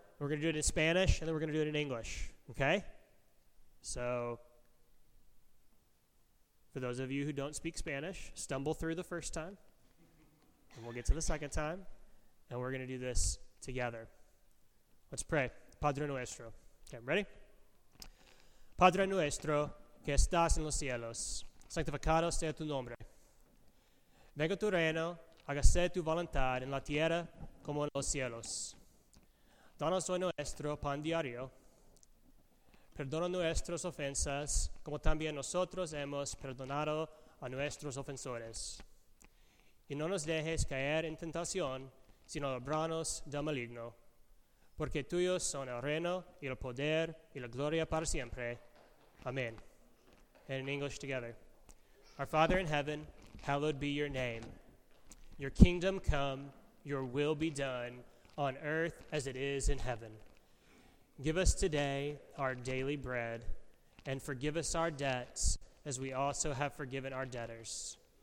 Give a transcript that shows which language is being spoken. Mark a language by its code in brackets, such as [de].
[en] We're going to do it in Spanish, and then we're going to do it in English, okay? So, for those of you who don't speak Spanish, stumble through the first time, and we'll get to the second time, and we're going to do this together. Let's pray. [es] Padre nuestro. [en] Okay, ready? [es] Padre nuestro, que estás en los cielos, santificado sea tu nombre. Venga tu reino, hágase tu voluntad en la tierra como en los cielos. Danos hoy nuestro pan diario. Perdona nuestras ofensas, como también nosotros hemos perdonado a nuestros ofensores. Y no nos dejes caer en tentación, sino líbranos del maligno. Porque tuyos son el reino, y el poder, y la gloria para siempre. [en] Amén. And in English together. Our Father in heaven, hallowed be your name. Your kingdom come, your will be done, on earth as it is in heaven. Give us today our daily bread, and forgive us our debts as we also have forgiven our debtors.